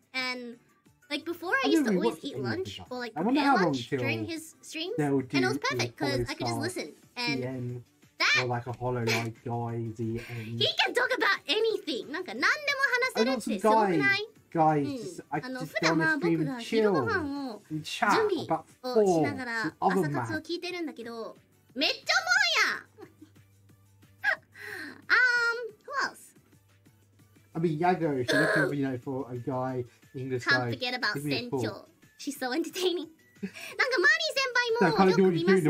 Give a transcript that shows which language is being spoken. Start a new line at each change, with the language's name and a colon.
English: And like before, I used to always eat lunch or like prepare lunch during his streams, and it was perfect because I could just listen and. That? Or like a hololive guy, the end. He can talk about anything!
Japanese: なんか何でも話せるってすごくない?
English: Guys, I just want to stream and chill and chat about four to other maps.
Japanese: 朝活を聞いてるんだけど、めっちゃおもろいやん!
English: who else? I mean, Yago, she's looking for, you know, for a guy, English guy. Can't forget about Sencho. She's so entertaining.
Japanese: なんかマリー先輩もよく見ますね。